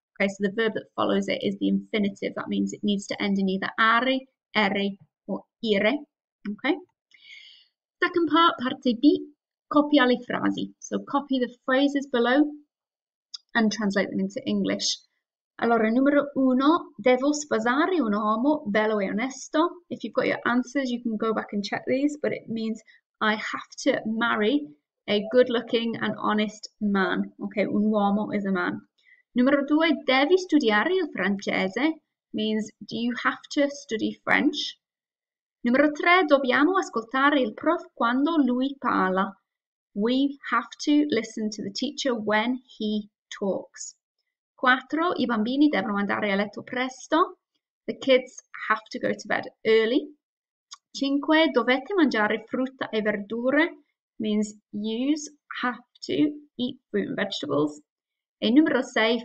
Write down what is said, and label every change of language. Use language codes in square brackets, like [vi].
[en] Okay, so the verb that follows it is the infinitive. That means it needs to end in either are, ere, or ire. Okay, second part, [it] parte B, copia le frasi. [en] So copy the phrases below and translate them into English. [it] Allora, numero uno, devo sposare un uomo bello e onesto. [en] If you've got your answers, you can go back and check these, but it means I have to marry a good-looking and honest man. Okay, [it] un uomo [en] is a man. [it] Numero due, devi studiare il francese, [en] means do you have to study French? [it] Numero tre, dobbiamo ascoltare il prof quando lui parla. [en] We have to listen to the teacher when he talks. [it] Quattro, i bambini devono andare a letto presto. [en] The kids have to go to bed early. 5. [it] Dovete mangiare frutta e verdure, [en] means use, have to, eat fruit and vegetables. [it] E numero 6.